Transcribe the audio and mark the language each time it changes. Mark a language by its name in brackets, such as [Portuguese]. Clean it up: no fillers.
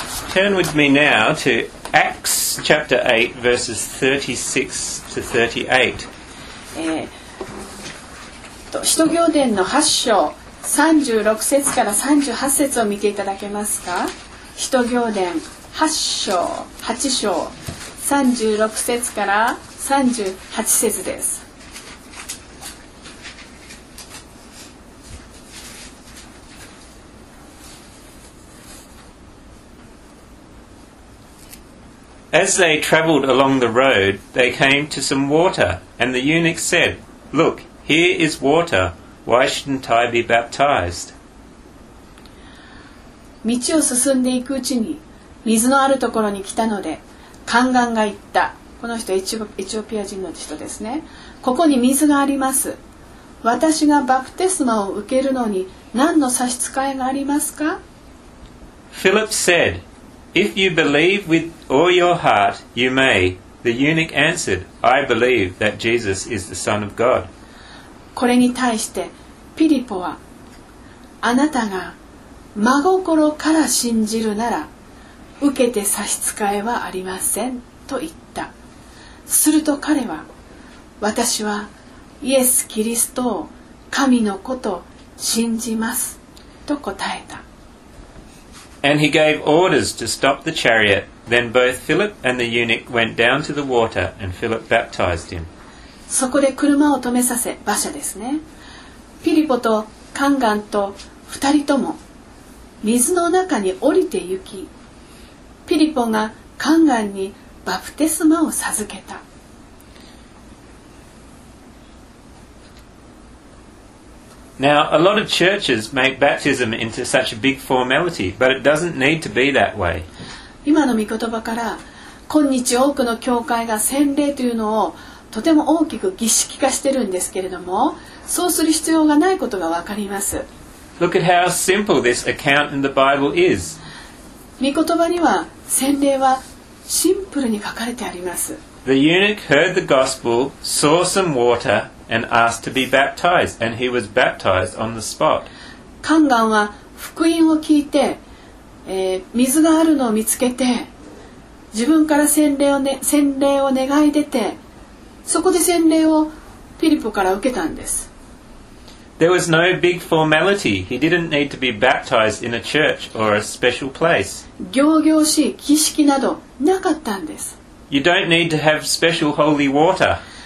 [English] Turn with me now to Acts chapter 8, verses 36 to 38. [Japanese] 使徒行伝の8章36節から38節を見ていただけますか？使徒行伝8章、8章、36節から38節です。 [English] As they traveled along the road, they came to some water, and the eunuch said, Look, here is water. Why shouldn't I be baptized? [Japanese] 道を進んでいくうちに、水のあるところに来たので、宦官が言った。この人エチオピア人の人ですね。ここに水があります。私がバプテスマを受けるのに何の差し支えがありますか？ [English] Philip said,If you believe with all your heart, you may. The eunuch answered, I believe that Jesus is the Son of God. [Japanese] これに対してピリポはあなたが真心から信じるなら受けて差し支えはありませんと言った。すると彼は私はイエス・キリストを神の子と信じますと答えた。 [English] And he gave orders to stop the chariot. Then both Philip and the eunuch went down to the water, and Philip baptized him. [Japanese] そこで車を止めさせ、馬車ですね。ピリポとカンガンと二人とも水の中に降りて行き、ピリポがカンガンにバプテスマを授けた。 [English] Now, a lot of churches make baptism into such a big formality, but it doesn't need to be that way. [Japanese] 今の御言葉から、今日多くの教会が洗礼というのをとても大きく儀式化してるんですけれども、そうする必要がないことがわかります。 [English] Look at how simple this account in the Bible is. [Japanese] 御言葉には洗礼はシンプルに書かれてあります。 [English] The eunuch heard the gospel, saw some water, and asked to be baptized, and he was baptized on the spot. [Japanese] カンガンは福音を聞いて、水があるのを見つけて、自分から洗礼を願い出て、そこで洗礼をピリポから受けたんです。 [English] There was no big formality. He didn't need to be baptized in a church or a special place. [Japanese] 行々しい儀式などなかったんです。 [English] You don't need to have special holy water.